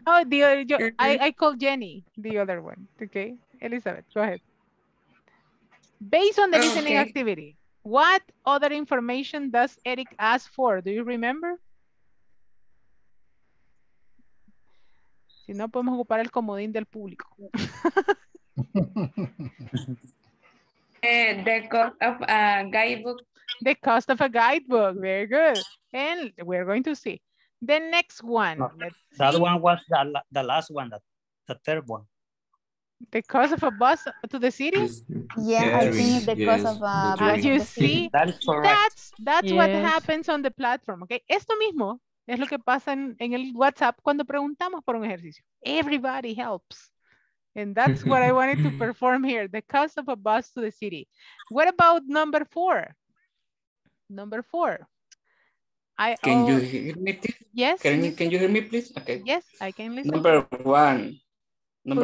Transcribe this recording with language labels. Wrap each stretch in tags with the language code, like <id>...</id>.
<en>Oh, the other, I call Jenny, the other one. Okay, Elizabeth, go ahead. Based on the listening activity, what other information does Eric ask for? Do you remember?</en> <es>Si no, podemos ocupar el comodín del público.</es> <en>The cost of a guidebook. The cost of a guidebook. Very good. And we're going to see. The next one. That one was the last one, the third one. The cost of a bus to the city? Yes, I think it's the cost of a bus. That's what happens on the platform, okay?</en> <es>Esto mismo es lo que pasa en el WhatsApp cuando preguntamos por un ejercicio.</es> <en>Everybody helps. And that's what I wanted to perform here. The cost of a bus to the city. What about number four? Number four. Can you hear me, please? Yes. Can you hear me, please? Okay. Yes, I can listen. Number one. Number</en>